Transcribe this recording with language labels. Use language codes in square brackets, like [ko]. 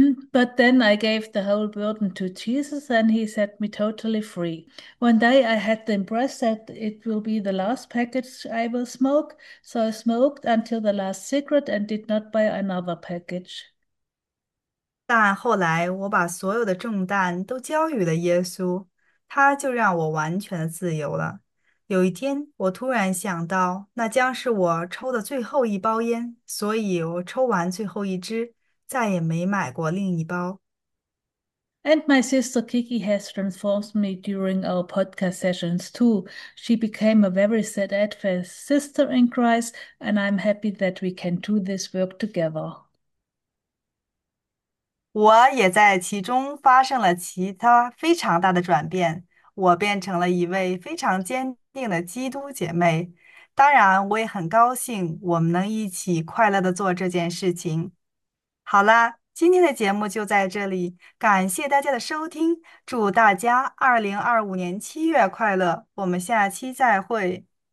[en] But then I gave the whole burden to Jesus and he set me totally free. One day I had the impression that it will be the last package I will smoke, so I smoked until the last cigarette and did not buy another package. [zh] 但后来，我把所有的重担都交予了耶稣，他就让我完全的自由了。有一天，我突然想到，那将是我抽的最后一包烟，所以我抽完最后一支，再也没买过另一包。 [en] And my sister Kiki has transformed me during our podcast sessions too. She became a very sad Adventist sister in Christ, and I'm happy that we can do this work together. [zh] 我也在其中发生了其他非常大的转变，我变成了一位非常坚定的基督姐妹。当然，我也很高兴我们能一起快乐地做这件事情。好啦，今天的节目就在这里，感谢大家的收听，祝大家2025年7月快乐，我们下期再会。